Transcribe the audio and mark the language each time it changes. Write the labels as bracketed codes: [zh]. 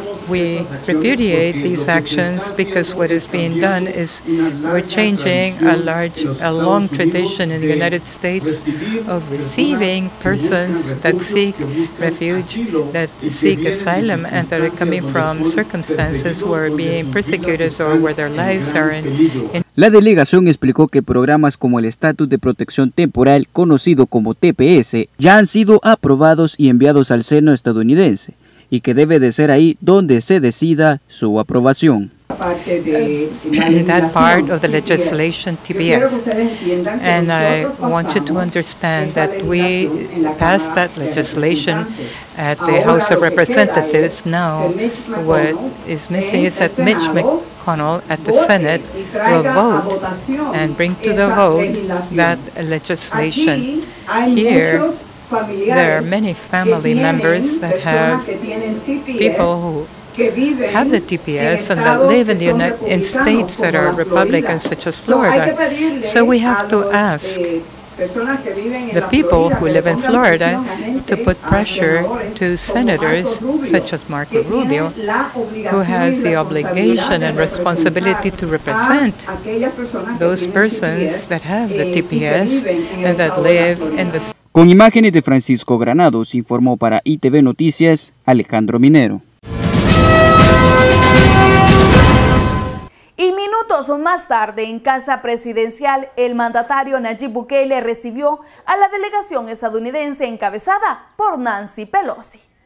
[en] We repudiate these actions because what is being done is we're changing a long tradition in the United States of receiving persons that seek refuge, that seek asylum, and that are coming from circumstances where being persecuted or where their lives are in. [es] La delegación explicó que programas como el Estatus de Protección Temporal, conocido como TPS, ya han sido aprobados y enviados al seno estadounidense, y que debe de ser ahí donde se decida su aprobación. [en] That part of the legislation, TPS, and I want you to understand that we passed that legislation at the House of Representatives. Now, what is missing is that Mitch McConnell at the Senate will vote and bring to the vote that legislation. Here, there are many family members that have people who have the TPS and that live in the United States that are Republicans, such as Florida. So we have to ask the people who live in Florida to put pressure to senators such as Marco Rubio, who has the obligation and responsibility to represent those persons that have the TPS and that live in the. [es] Con imágenes de Francisco Granados, informó para ITV Noticias Alejandro Minero. Y minutos más tarde, en Casa Presidencial, el mandatario Nayib Bukele recibió a la delegación estadounidense encabezada por Nancy Pelosi.